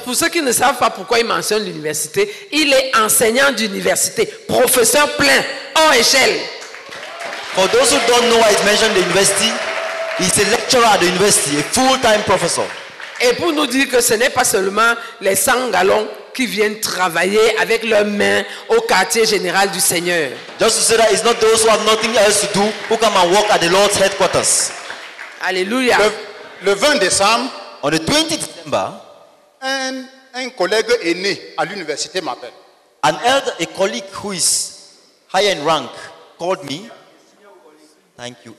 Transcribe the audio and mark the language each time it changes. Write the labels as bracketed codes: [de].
[fr] Pour ceux qui ne savent pas pourquoi il mentionne l'université, il est enseignant d'université, professeur plein, en échelle. [en] For those who don't know why he's mentioned the university, he's a lecturer at the university, a full-time professor. [fr] Et pour nous dire que ce n'est pas seulement les 100 gallons qui viennent travailler avec leurs mains au quartier général du Seigneur. [en] Just to say that it's not those who have nothing else to do who come and work at the Lord's headquarters. [fr] Alléluia. Le 20 décembre, [en] on the 20th December, [fr] un collègue aîné à l'université m'appelle. [en] An elder, a colleague who is higher in rank, called me. Thank you.